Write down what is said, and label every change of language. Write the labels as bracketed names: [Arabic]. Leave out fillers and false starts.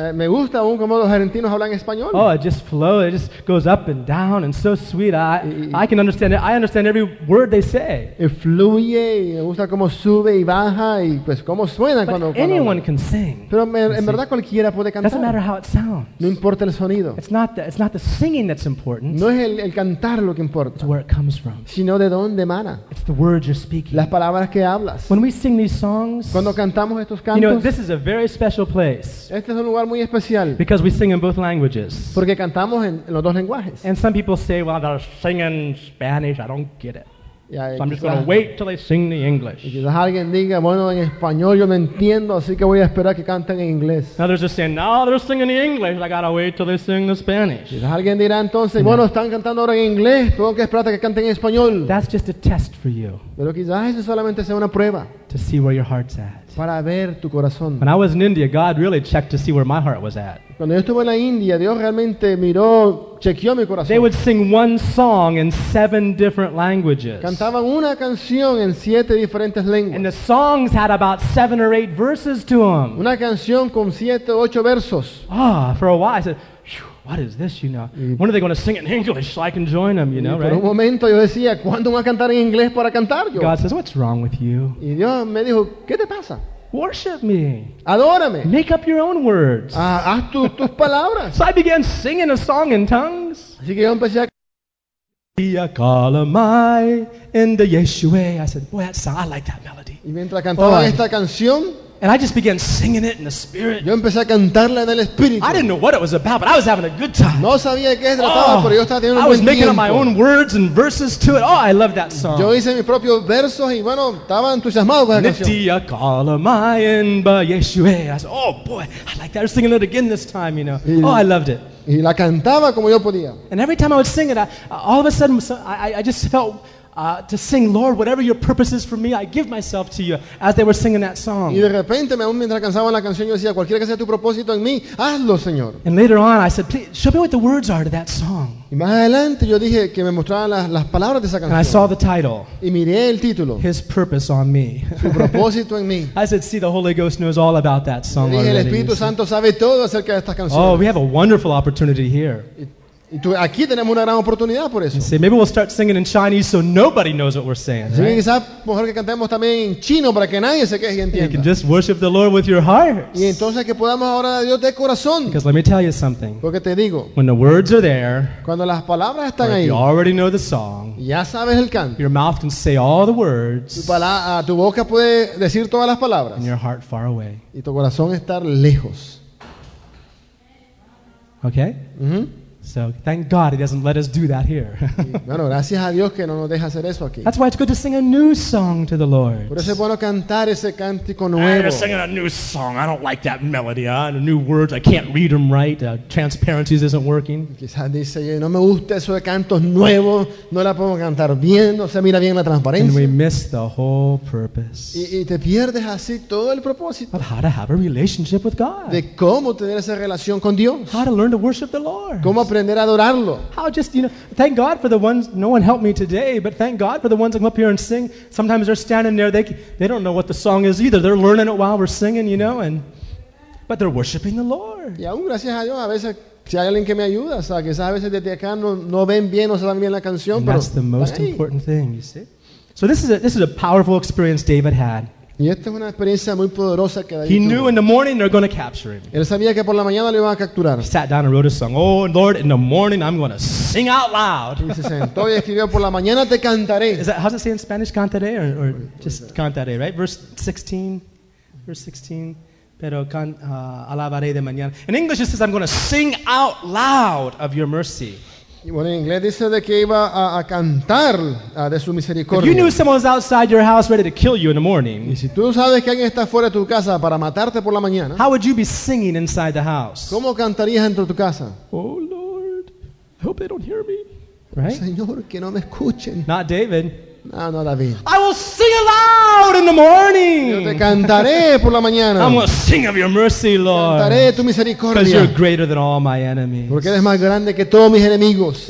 [Spanish] Me gusta aún como los argentinos hablan español. [English] Oh, it just flows, it just goes up and down and so sweet. I can understand it. I understand every word they say. [Spanish] Y fluye, y me gusta como sube y baja y pues como suena [English] but [Spanish] cuando [English] anyone can sing. [Spanish] Pero en verdad cualquiera puede cantar. [English] Doesn't matter how it sounds. [Spanish] No importa el sonido. [English] It's not the singing that's important. [Spanish] No es el cantar lo que importa. [English] It's where it comes from. [Spanish] Sino de dónde emana. [English] It's the words you're speaking. [Spanish] Las palabras que hablas. [English] When we sing these songs, [Spanish] cuando cantamos estos cantos, [English] you know, this is a very special place. [Spanish] Este es un lugar muy especial. [English] Because we sing in both languages. [Spanish] Porque cantamos en los dos lenguajes. [English] And some people say, well, they're singing Spanish, I don't get it. Yeah, so I'm just going to wait till they sing the English. [Spanish] Y quizás alguien diga, bueno, en español yo me entiendo, así que voy a esperar que canten en inglés. [English] Others are saying, no, they're singing the English, I got to wait till they sing the Spanish. [Spanish] Y quizás alguien dirá entonces, bueno, están cantando ahora en inglés, tengo que esperar a que canten en español. [English] That's just a test for you. [Spanish] Pero quizás eso solamente sea una prueba. [English] To see where your heart's at. [Spanish] Para ver tu corazón. [English] When I was in India, God really checked to see where my heart was at. [Spanish] Cuando yo estuve en la India, Dios realmente miró, chequeó mi corazón. [English] They would sing one song in 7 different languages. [Spanish] Cantaban una canción en 7 diferentes lenguas. [English] And the songs had about 7 or 8 verses to them. [Spanish] Una canción con 7 o 8 versos. [English] Ah, for a while I said, what is this, you know? When are they going to sing in English so I can join them, you know, right? [Spanish] Por un momento yo decía, ¿cuándo van a cantar en inglés para cantar yo? [English] God says, what's wrong with you? [Spanish] Y Dios me dijo, ¿qué te pasa? [English] Worship me. [Spanish] Adórame. [English] Make up your own words. [Spanish] Haz tus palabras. [English] So I began singing a song in tongues. [Spanish] Así que yo empecé a Yakalamai in the Yeshua. [English] I said, boy, that song, I like that melody. [Spanish] Y mientras cantaba esta canción, [English] and I just began singing it in the spirit. [Spanish] Yo empecé a cantarla en el espíritu. [English] I didn't know what it was about, but I was having a good time. [Spanish] No sabía qué trataba, pero yo estaba teniendo un [English] I was making up my own words and verses to it. Oh, I love that song. [Spanish] Yo hice mis propios versos y bueno, estaba entusiasmado con esa canción. [English] I said, oh boy, I like that. I was singing it again this time, you know. Oh, I loved it. [Spanish] Y la cantaba como yo podía. [English] And every time I would sing it, all of a sudden, I just felt to sing, Lord, whatever your purpose is for me, I give myself to you, as they were singing that song. [Spanish] Y de repente, aún mientras cantaban la canción, yo decía, cualquiera que sea tu propósito en mí, hazlo, Señor. [English] And later on, I said, please, show me what the words are to that song. [Spanish] Y más adelante, yo dije que me mostraran las palabras de esa canción. [English] And I saw the title. [Spanish] Y miré el título. [English] His purpose on me. [Spanish] Su propósito en mí. [English] I said, see, the Holy Ghost knows all about that song already. [Spanish] Y el Espíritu Santo sabe todo acerca de estas canciones. [English] Oh, we have a wonderful opportunity here. [Spanish] Aquí tenemos una gran oportunidad por eso. [English] See, maybe we'll start singing in Chinese so nobody knows what we're saying. [Spanish] Sí, quizás mejor que cantemos también en chino para que nadie se queje y entienda. [English] You can just worship the Lord with your heart. [Spanish] Y entonces que podamos orar a Dios de corazón. [English] Because let me tell you something. [Spanish] Porque te digo. [English] When the words are there. [Spanish] Cuando las palabras están ahí. [English] You already know the song. [Spanish] Ya sabes el canto. [English] Your mouth can say all the words. [Spanish] Tu boca puede decir todas las palabras. [English] And your heart far away. [Spanish] Y tu corazón estar lejos. [English] Okay. Mm-hmm. So thank God he doesn't let us do that here. [Spanish] Bueno, gracias a Dios que no nos deja hacer eso aquí. [English] That's why it's good to sing a new song to the Lord. [Spanish] Por eso es bueno cantar ese cántico nuevo. [English] I'm singing a new song. I don't like that melody. And new words. I can't read them right. Transparencies isn't working. [Spanish] Quizás dice, no me gusta eso de cantos nuevos. No la puedo cantar bien. No se mira bien la transparencia. [English] And we miss the whole purpose. [Spanish] Y te pierdes así todo el propósito. [English] Of how to have a relationship with God. [Spanish] De cómo tener esa relación con Dios. [English] How to learn to worship the Lord. [Spanish] Cómo aprender a adorarlo. [English] How just, you know, thank God for the ones, no one helped me today, but thank God for the ones that come up here and sing. Sometimes they're standing there, they don't know what the song is either. They're learning it while we're singing, you know, but they're worshiping the Lord. [Spanish] Y aún gracias a Dios, a veces, si hay alguien que me ayuda, o sea, quizás a veces desde acá no ven bien, no saben bien la canción, [English] and [Spanish] pero [English] that's the most important thing, you see. So this is a powerful experience David had. [Spanish] Y esta es una experiencia muy poderosa que David tuvo. [English] He knew in the morning they're going to capture him. [Spanish] Él sabía que por la mañana lo iban a capturar. [English] He sat down and wrote a song. Oh Lord, in the morning I'm going to sing out loud. [Spanish] Y se sentó y escribió, por la mañana te cantaré. [English] Is that, how's it say in Spanish? Cantaré or just cantaré, right? Verse 16. [Spanish] Pero alabaré de mañana. [English] In English, it says, "I'm going to sing out loud of your mercy." [Spanish] Bueno, en inglés dice de que iba a cantar de su misericordia. [English] If you knew someone was outside your house ready to kill you in the morning, [Spanish] y si tú sabes que alguien está fuera de tu casa para matarte por la mañana, [English] how would you be singing inside the house? [Spanish] ¿Cómo cantarías dentro de tu casa? [English] Oh Lord, I hope they don't hear me. Right? [Spanish] Señor, que no me escuchen. [English] Not David. [Spanish] No, no, David. [English] I will sing aloud in the morning. [Spanish] Yo te cantaré por la mañana. [English] I'm going to sing of your mercy, Lord. [Spanish] Cantaré tu misericordia. [English] Because you're greater than all my enemies. [Spanish] Porque eres más grande que todos mis enemigos.